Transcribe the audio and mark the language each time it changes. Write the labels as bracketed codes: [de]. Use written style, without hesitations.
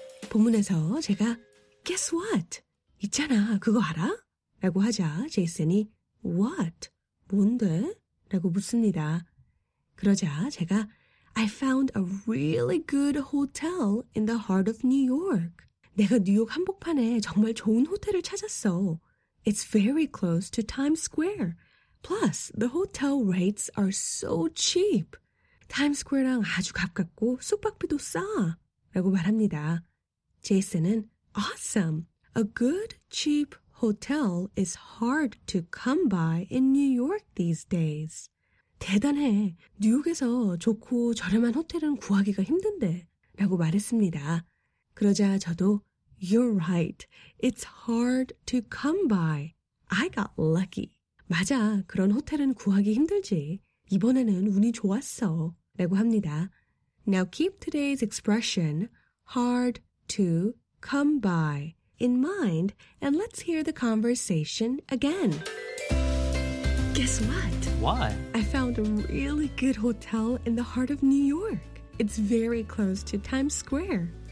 [ko] 본문에서 제가 [en] Guess what? [ko] 있잖아, 그거 알아? 라고 하자 제이슨이 What? 뭔데? 라고 묻습니다. 그러자 제가 [en] I found a really good hotel in the heart of New York. [ko] 내가 뉴욕 한복판에 정말 좋은 호텔을 찾았어. [en] It's very close to Times Square. Plus, the hotel rates are so cheap. [ko] Times Square랑 아주 가깝고 숙박비도 싸. 라고 말합니다. 제이슨은 awesome. [en] A good cheap hotel is hard to come by in New York these days. [ko] 대단해. 뉴욕에서 좋고 저렴한 호텔은 구하기가 힘든데. 라고 말했습니다. 그러자 저도 [en] You're right. It's hard to come by. I got lucky. [ko] 맞아, 그런 호텔은 구하기 힘들지. 이번에는 운이 좋았어. 라고 합니다. [en] Now keep today's expression, hard to come by, in mind, and let's hear the conversation again. Guess what? What? I found a really good hotel in the heart of New York. It's very close to Times Square.